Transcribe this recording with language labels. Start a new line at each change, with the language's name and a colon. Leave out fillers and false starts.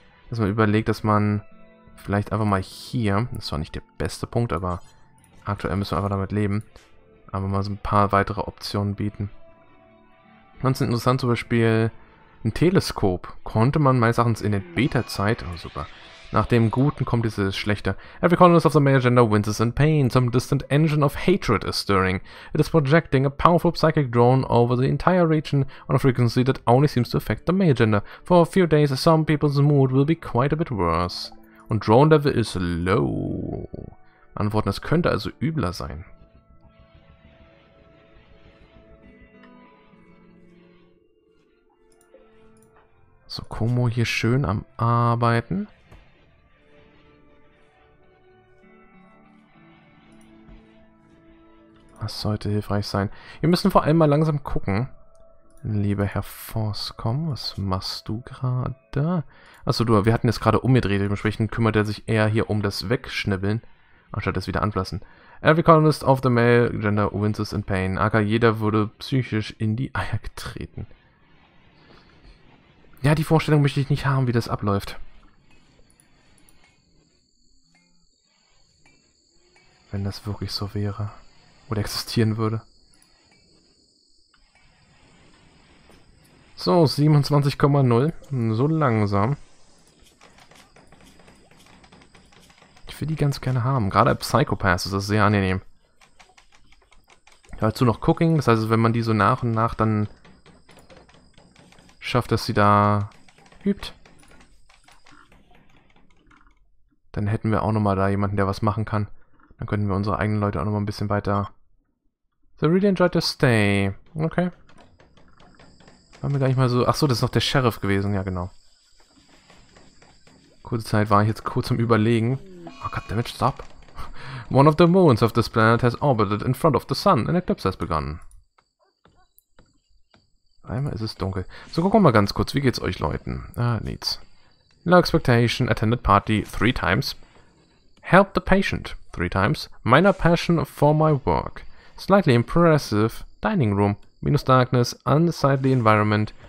German: Dass man überlegt, dass man vielleicht einfach mal hier, das ist zwar nicht der beste Punkt, aber aktuell müssen wir einfach damit leben, aber mal so ein paar weitere Optionen bieten. Ganz interessant, zum Beispiel ein Teleskop. Konnte man meines Erachtens in der Beta-Zeit, oh super. Nach dem Guten kommt dieses Schlechte.
English: Every colonist of the male gender winces in pain. Some distant engine of hatred is stirring. It is projecting a powerful psychic drone over the entire region on a frequency that only seems to affect the male gender. For a few days, some people's mood will be quite a bit worse.
German: Und
English: Drone Level is low.
German: Antworten, es könnte also übler sein. So, Como hier schön am Arbeiten. Das sollte hilfreich sein. Wir müssen vor allem mal langsam gucken. Lieber Herr Forscom, was machst du gerade? Achso, du, wir hatten es gerade umgedreht. Dementsprechend kümmert er sich eher hier um das Wegschnibbeln, anstatt es wieder anfassen.
English: Every colonist of the male gender winces in pain.
German: Aka jeder würde psychisch in die Eier getreten. Ja, die Vorstellung möchte ich nicht haben, wie das abläuft. Wenn das wirklich so wäre. Oder existieren würde. So, 27,0. So langsam. Ich will die ganz gerne haben. Gerade bei Psychopaths ist das sehr angenehm. Dazu noch Cooking, das heißt, wenn man die so nach und nach dann schafft, dass sie da übt, dann hätten wir auch nochmal da jemanden, der was machen kann. Dann könnten wir unsere eigenen Leute auch nochmal ein bisschen weiter.
English: So, really enjoyed the stay.
German: Okay. Waren wir gar nicht mal so. Ach so, das ist noch der Sheriff gewesen. Ja, genau. Kurze Zeit war ich jetzt kurz am Überlegen.
English: Oh, goddammit, stop. One of the moons of this planet has orbited in front of the sun. An eclipse has begun.
German: Einmal ist es dunkel. So, gucken wir mal ganz kurz. Wie geht's euch, Leuten? Ah, nichts.
English: No expectation. Attended party 3 times. Helped the patient 3 times. Minor passion for my work. Slightly impressive. Dining room. Minus darkness. Unsightly environment.